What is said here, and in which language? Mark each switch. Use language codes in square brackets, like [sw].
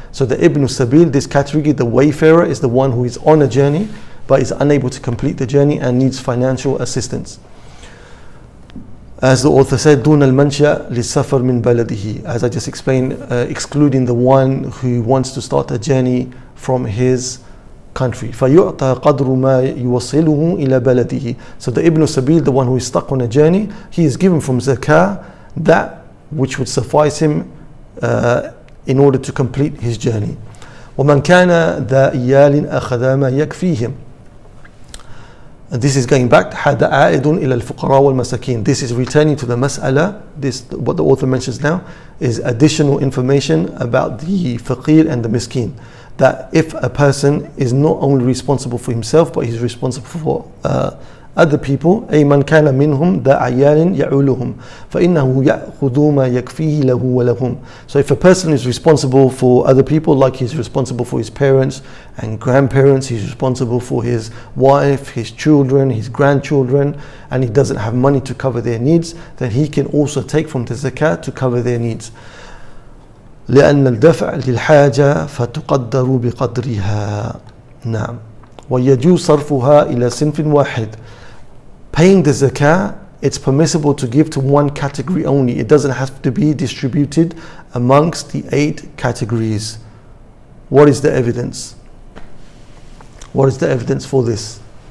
[en] So the Ibn Sabil, this category, the wayfarer, is the one who is on a journey but is unable to complete the journey and needs financial assistance. As the author said, [ar] دون المنشأ للسفر من بلده, [en] as I just explained, excluding the one who wants to start a journey from his country. [ar] فيعطى قدر ما يوصله إلى بلده. [en] So the Ibn Sabil, the one who is stuck on a journey, he is given from zakah that which would suffice him in order to complete his journey. [ar] وَمَنْ كَانَ ذَا إِيَالٍ أَخَذَ مَا يَكْفِيهِمْ, [en] And this is going back to [ar] hada a'idun ila al-fuqara wal-masakin. [en] This is returning to the mas'ala. This, what the author mentions now, is additional information about the faqir and the miskin. That if a person is not only responsible for himself, but he's responsible for other people, [ar] أي من كان منهم ذا عيال يعولهم فإنه يأخذ ما يكفيه له ولهم. [en] So if a person is responsible for other people, like he's responsible for his parents and grandparents, he's responsible for his wife, his children, his grandchildren, and he doesn't have money to cover their needs, then he can also take from the zakat to cover their needs. [ar] لأن الدفع للحاجة فتقدر بقدرها. نعم. ويجوز صرفها إلى صنف واحد. [en] Paying the zakah, it's permissible to give to one category only. It doesn't have to be distributed amongst the eight categories. What is the evidence? What is the evidence for this?